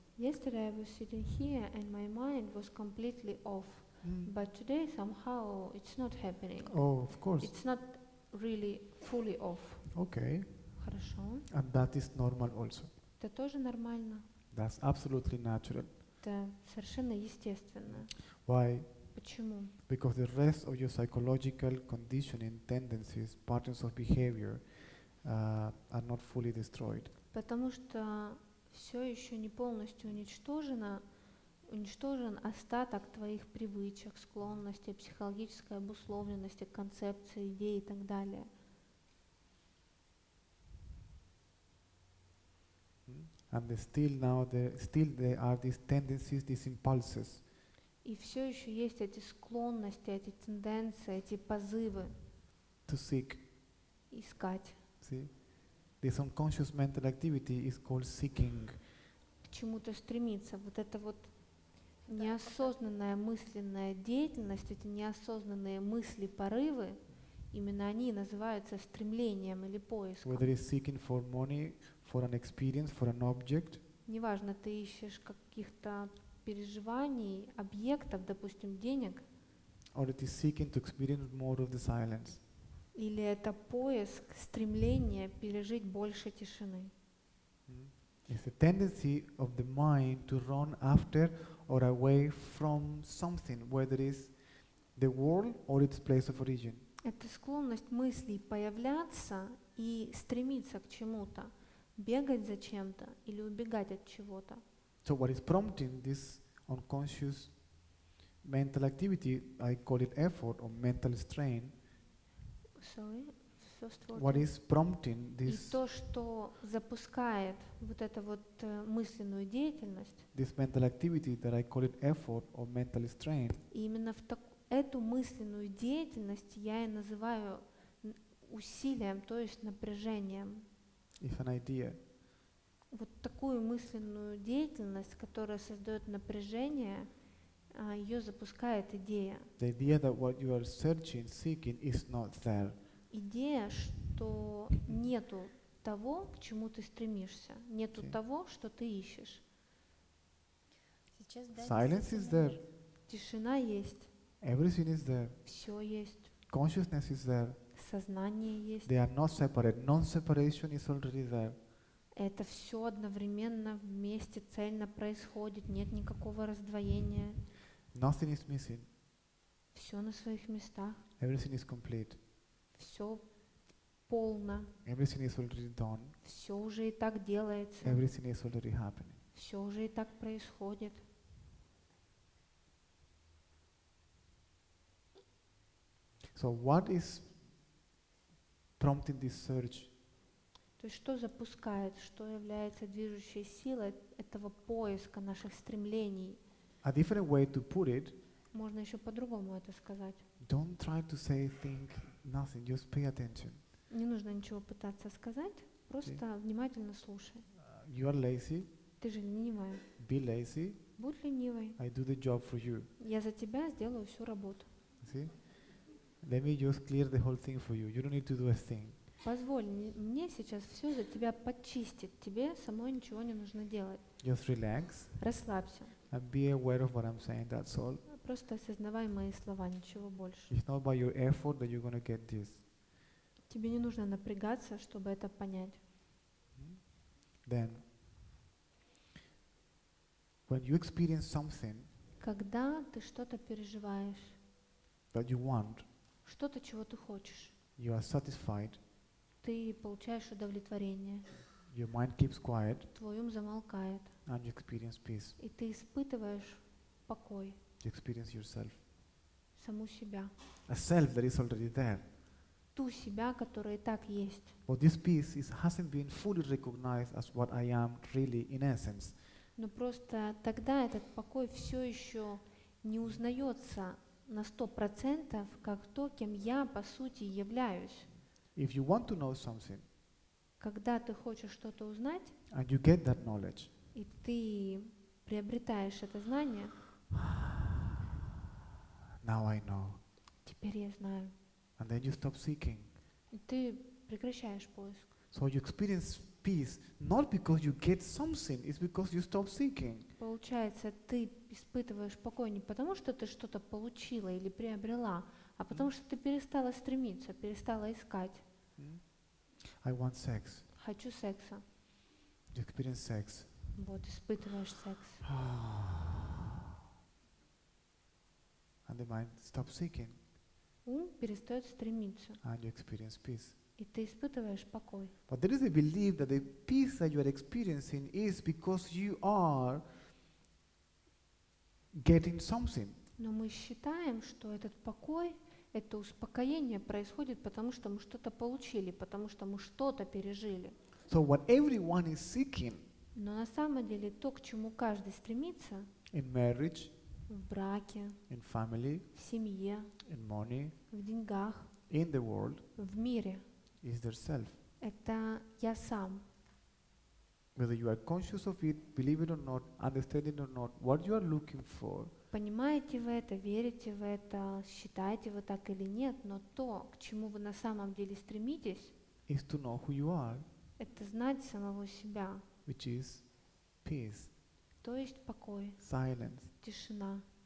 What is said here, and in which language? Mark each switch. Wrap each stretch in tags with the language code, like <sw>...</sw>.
<en>Yesterday I was sitting here and my mind was completely off. Mm. But today somehow it's not happening. Oh, of course. It's not really fully off. Okay.</en> <ru>Хорошо.</ru> <en>And that is normal also.</en> <ru>Это тоже нормально.</ru> <en>That's absolutely natural.</en> <ru>Это совершенно естественно.</ru> <en>Why?</en> <ru>Почему?</ru> <en>Because the rest of your psychological conditioning, tendencies, patterns of behavior are not fully destroyed.</en> <ru>Потому что все еще не полностью уничтожено. Уничтожен остаток твоих привычек, склонностей, психологической обусловленности, концепции, идей и так далее.</ru> <en>And still now there are these tendencies, these impulses.</en> <ru>И все еще есть эти склонности, эти тенденции, эти позывы.</ru> <en>To seek.</en> <ru>Искать.</ru> <en>See? This unconscious mental activity is called seeking.</en> <ru>К чему-то стремиться. Вот это вот неосознанная мысленная деятельность, эти неосознанные мысли, порывы, именно они называются стремлением или поиском.</ru> <en>Whether it's seeking for money, for an experience, for an object.</en> <ru>Неважно, ты ищешь каких-то переживаний, объектов, допустим, денег.</ru> <en>Or it is seeking to experience more of the silence.</en> <ru>Или это поиск, стремление пережить больше тишины.</ru> <en>It's a tendency of the mind to run after or away from something, whether it's the world or its place of origin.</en> <ru>Это склонность мыслей появляться и стремиться к чему-то, бегать за чем-то или убегать от чего-то.</ru> <en>So what is prompting this unconscious mental activity, I call it effort or mental strain. Sorry. What is prompting this?</en> <ru>И то, что запускает вот эту вот мысленную деятельность.</ru> <en>This mental activity that I call it effort or mental strain.</en> <ru>И именно в эту мысленную деятельность я и называю усилием, то есть напряжением.</ru> <en>It's an idea.</en> <ru>Вот такую мысленную деятельность, которая создает напряжение, ее запускает идея.</ru> <en>The idea that what you are searching, seeking is not there.</en> <ru>Идея, что нету того, к чему ты стремишься, нету okay. того, что ты ищешь. Сейчас, да,</ru> <en>silence is there.</en> <ru>Тишина есть.</ru> <en>Everything is there.</en> <ru>Все есть.</ru> <en>Consciousness is there.</en> <ru>Сознание есть.</ru> <en>They are not separate. Non-separation is already there.</en> <ru>Это все одновременно вместе цельно происходит. Нет никакого раздвоения.</ru> <en>Nothing is missing.</en> <ru>Все на своих местах.</ru> <en>Everything is complete.</en> <ru>Все полно.</ru> <en>Everything is already done.</en> <ru>Все уже и так делается.</ru> <en>Everything is already happening.</en> <ru>Все уже и так происходит.</ru> <en>So what is prompting this search?</en> <ru>То есть что запускает, что является движущей силой этого поиска наших стремлений?</ru> <en>A different way to put it.</en> <ru>Можно еще по-другому это сказать.</ru> <en>Don't try to say think nothing, just pay attention.</en> <ru>Не нужно ничего пытаться сказать, просто внимательно слушай.</ru> <en>You are lazy.</en> <ru>Ты же ленивая.</ru> <en>Be lazy.</en> <ru>Будь ленивой.</ru> <en>I do the job for you.</en> <ru>Я за тебя сделаю всю работу.</ru> <en>See? Let me just clear the whole thing for you. You don't need to do a thing.</en> <ru>Позволь мне сейчас все за тебя почистить. Тебе самой ничего не нужно делать.</ru> <en>Just relax.</en> <ru>Расслабься.</ru> <en>And be aware of what I'm saying. That's all.</en> <ru>Просто осознавай мои слова, ничего больше.</ru> <en>It's not by your effort that you're going to get this.</en> <ru>Тебе не нужно напрягаться, чтобы это понять.</ru> <en>Then, when you experience something,</en> <ru>когда ты что-то переживаешь,</ru> <en>that you want,</en> <ru>что-то, чего ты хочешь,</ru> <en>you are satisfied,</en> <ru>ты получаешь удовлетворение,</ru> <en>your mind keeps quiet,</en> <ru>твой ум замолкает,</ru> <en>and you experience peace,</en> <ru>и ты испытываешь покой,</ru> <en>you experience yourself,</en> <ru>саму себя,</ru> <en>a self that is already there.</en> <ru>Ту себя, которая и так есть.</ru> <en>But this peace is, hasn't been fully recognized as what I am really in essence.</en> <ru>Но просто тогда этот покой все еще не узнается на 100% как то, кем я по сути являюсь.</ru> <en>If you want to know something,</en> <ru>когда ты хочешь что-то узнать,</ru> <en>and you get that knowledge,</en> <ru>и ты приобретаешь это знание,</ru> <en>now I know.</en> <ru>Теперь я знаю.</ru> <en>And then you stop seeking.</en> <ru>И ты прекращаешь поиск.</ru> <en>So you experience peace not because you get something, it's because you stop seeking.</en> <ru>Получается, ты испытываешь покой не потому, что ты что-то получила или приобрела, а потому что ты перестала стремиться, перестала искать.</ru> <en>I want sex.</en> <ru>Хочу секса.</ru> <en>You experience sex.</en> <ru>Вот, испытываешь секс.</ru> <en>And the mind stop seeking.</en> <ru>Ум перестает стремиться.</ru> <en>And you experience peace.</en> <ru>И ты испытываешь покой.</ru> <en>But there is a belief that the peace that you are experiencing is because you are getting something.</en> <ru>Но мы считаем, что этот покой, это успокоение происходит, потому что мы что-то получили, потому что мы что-то пережили.</ru> <en>So what everyone is seeking.</en> <ru>Но на самом деле то, к чему каждый стремится.</ru> <en>In marriage.</en> <ru>В браке,</ru> <en>in family,</en> <ru>в семье,</ru> <en>in money,</en> <ru>в деньгах,</ru> <en>in the world,</en> <ru>в мире,</ru> <en>is their self.</en> <ru>Это я сам.</ru> <en>Whether you are conscious of it, believe it or not, understand it or not, what you are looking for.</en> <ru>Понимаете вы это, верите в это, считаете вы так или нет, но то, к чему вы на самом деле стремитесь,</ru> <en>is to know who you are.</en> <ru>Это знать самого себя.</ru> <en>Which is peace.</en> <ru>То есть покой,</ru> <en>silence,</en> <ru>тишина,</ru>